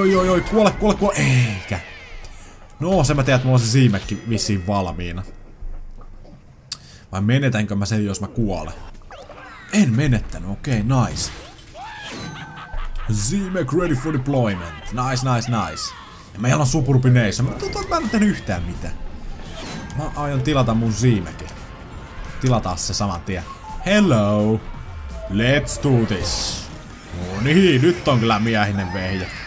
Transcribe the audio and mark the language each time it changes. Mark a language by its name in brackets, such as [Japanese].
[Finnish] Oi. Kuole. Eikä. No, se mä tiedän, että mulla on se siimekki vissiin valmiina. Vai menetänkö mä sen, jos mä kuolen? En menettänyt, okei, [English] nice. Z-Mac ready for deployment. Nice. [Finnish] Ja meillä on supurbineissa, mutta tota, mä en tehnyt yhtään mitään. Mä aion tilata mun Z-Macin. Tilataan se saman tien. [English] Hello! Let's do this! [Finnish] No niin, nyt on kyllä miehinen vehje.